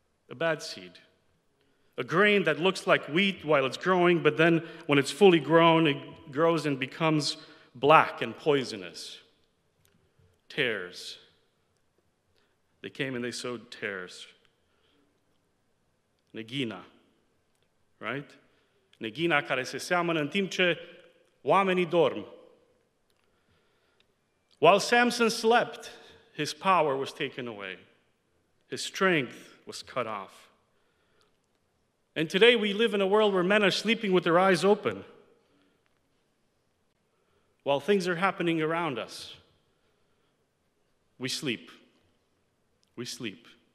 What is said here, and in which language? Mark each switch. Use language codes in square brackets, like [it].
[en] A bad seed. A grain that looks like wheat while it's growing, but then when it's fully grown, it grows and becomes black and poisonous. Tares. They came and they sowed tares. [ro] Negina. [en] Right? [ro] Negina care se seamănă în timp ce oamenii dorm. [en] While Samson slept, his power was taken away. His strength was cut off. And today we live in a world where men are sleeping with their eyes open while things are happening around us. We sleep. We sleep.